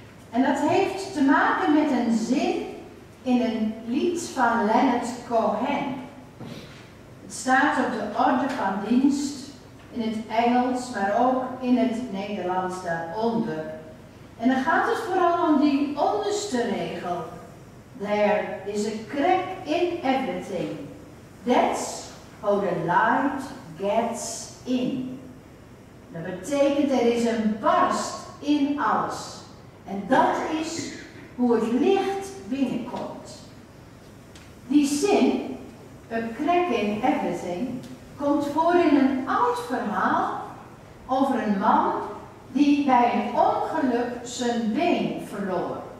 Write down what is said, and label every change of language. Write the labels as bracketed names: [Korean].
[Dutch] En dat heeft te maken met een zin in een lied van Leonard Cohen. Het staat op de orde van dienst in het Engels, maar ook in het Nederlands daaronder. En dan gaat het vooral om die onderste regel. [English] There is a crack in everything. That's how the light gets in. [Dutch] Dat betekent, er is een barst in alles. En dat is hoe het licht binnenkomt. Die zin, [English] a crack in everything, [Dutch] komt voor in een oud verhaal over een man die bij een ongeluk zijn been verloor.